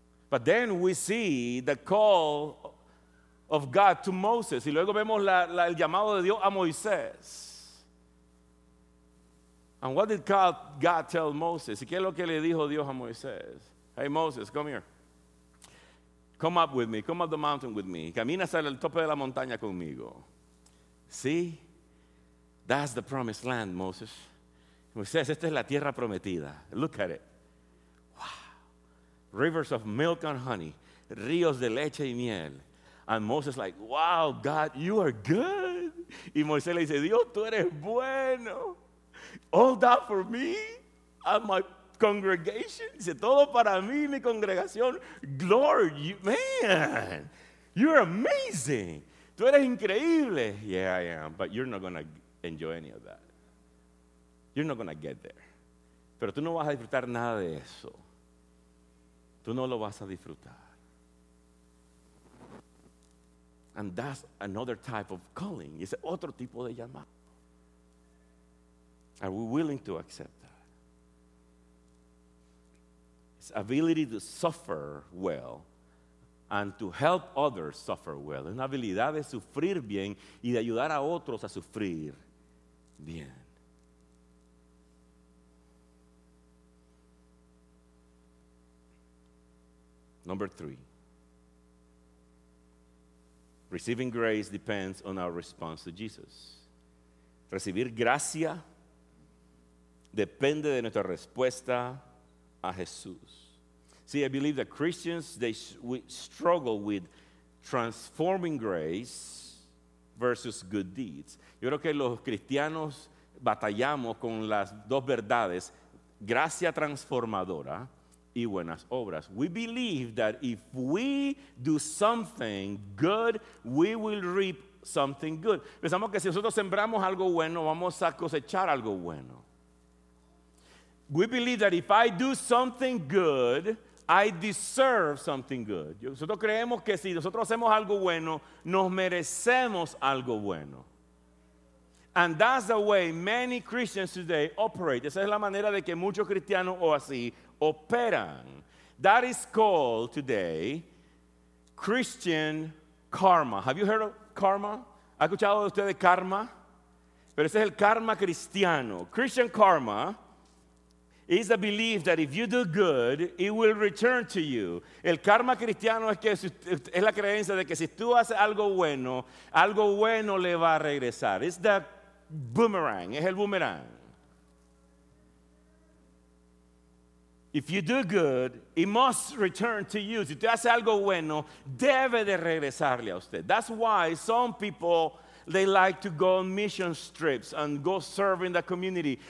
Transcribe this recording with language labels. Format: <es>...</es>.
<en>But then we see the call of God to Moses.</en> <es>Y luego vemos el llamado de Dios a Moisés.</es> <en>And what did God tell Moses?</en> <es>¿Y qué es lo que le dijo Dios a Moisés?</es> <en>Hey, Moses, come here. Come up with me. Come up the mountain with me.</en> <es>Camina hasta el tope de la montaña conmigo.</es> <en>See? That's the promised land, Moses.</en> <es>Moisés, esta es la tierra prometida.</es> <en>Look at it. Rivers of milk and honey,</en> <es>ríos de leche y miel.</es> <en>And Moses like, wow, God, you are good.</en> <es>Y Moisés le dice, Dios, tú eres bueno.</es> <en>All that for me and my congregation.</en> <es>Dice, todo para mí y mi congregación.</es> <en>Lord, you, man, you're amazing.</en> <es>Tú eres increíble.</es> <en>Yeah, I am, but you're not going to enjoy any of that. You're not going to get there.</en> <es>Pero tú no vas a disfrutar nada de eso. Tú no lo vas a disfrutar.</es> <en>And that's another type of calling.</en> <es>Es otro tipo de llamado.</es> <en>Are we willing to accept that? It's ability to suffer well and to help others suffer well.</en> <es>Es una habilidad de sufrir bien y de ayudar a otros a sufrir bien.</es> <en>Number three, receiving grace depends on our response to Jesus.</en> <es>Recibir gracia depende de nuestra respuesta a Jesús.</es> <en>See, I believe that Christians, we struggle with transforming grace versus good deeds.</en> <es>Yo creo que los cristianos batallamos con las dos verdades, gracia transformadora y buenas obras.</es> <en>We believe that if we do something good, we will reap something good.</en> <es>Pensamos que si nosotros sembramos algo bueno, vamos a cosechar algo bueno.</es> <en>We believe that if I do something good, I deserve something good.</en> <es>Nosotros creemos que si nosotros hacemos algo bueno, nos merecemos algo bueno.</es> <en>And that's the way many Christians today operate.</en> <es>Esa es la manera de que muchos cristianos o así operan.</es> <en>That is called today Christian karma. Have you heard of karma?</en> <es>¿Ha escuchado usted de karma? Pero ese es el karma cristiano.</es> <en>Christian karma is the belief that if you do good, it will return to you.</en> <es>El karma cristiano es que es la creencia de que si tú haces algo bueno le va a regresar.</es> <en>It's the boomerang.</en> <es>Es el boomerang.</es> <en>If you do good, it must return to you.</en> <es>Si tú haces algo bueno, debe de regresarle a usted.</es> <en>That's why some people, they like to go on mission trips and go serve in the community.</en>